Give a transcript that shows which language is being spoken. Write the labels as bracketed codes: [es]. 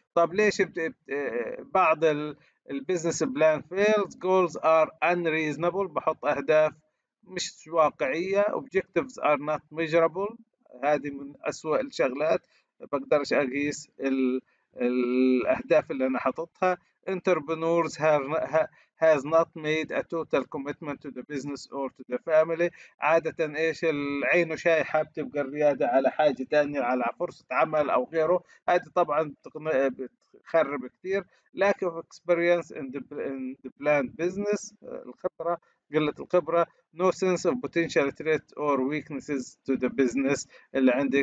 [ar] طب ليش بعض البزنس بلان [en] fails؟ Goals are unreasonable، [ar] بحط أهداف مش واقعية. [en] Objectives are not measurable، [ar] هذه من أسوأ الشغلات، بقدرش أقيس الأهداف اللي أنا حطتها. [en] Entrepreneurs has not made a total commitment to the business or to the family. [ar] عادة إيش العين وشايحة، بتبقى الريادة على حاجة تانية، على فرصة عمل أو غيره، هذه طبعا بتخرب كتير. [en] Lack of experience in the planned business، [ar] الخبرة، قلة الخبرة. [en] No sense of potential threat or weaknesses to the business، [ar] اللي عندي.